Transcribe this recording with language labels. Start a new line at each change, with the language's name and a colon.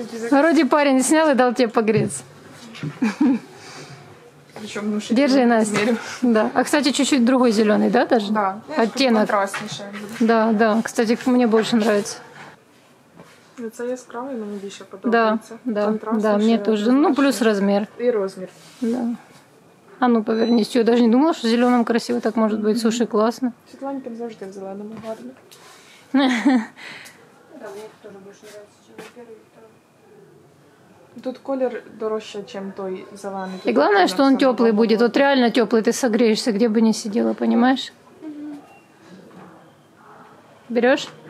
Ukrainian: Вроді парень зняв і дав тебе погріться.
Russian: Держи, Настя. А, кстати, чуть-чуть другой зеленый, да, даже? Да. Оттенок. Да, да. Кстати, мне больше нравится. Это яскравый, но мне еще подобается. Да, да, мне тоже. Ну, плюс размер. И размер. Да. А ну, повернись. Я даже не думала, что зеленым красиво так может быть. Слушай, классно.
Ukrainian: Светланькин завжди в зеленом и гарно.
Russian: Да, мне тоже больше нравится, чем первый.
Ukrainian: Тут колір дорожче, ніж той зелений. І головне, що він теплий буде. От реально теплий, ти согрієшся, де б не сиділа, розумієш? Береш?